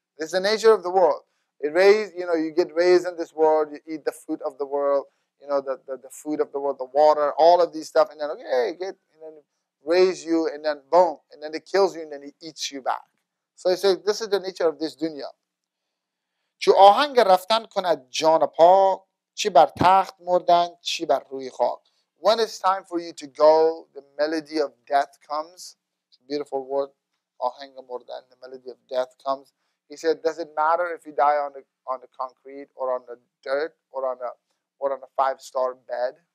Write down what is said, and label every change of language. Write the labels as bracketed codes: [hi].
[en] It's the nature of the world. It raised, you know, you get raised in this world, you eat the fruit of the world, you know, the food of the world, the water, all of these stuff, and then okay, get and then raise you, and then boom, and then it kills you, and then it eats you back. So he says, this is the nature of this dunya. [fa] چو آهنگ رفتن کند جان پاک چی بر تخت مردن چی بر روی خاک. [en] When it's time for you to go, the melody of death comes. It's a beautiful word. The melody of death comes. He said, does it matter if you die on the concrete or on the dirt or on a five-star bed?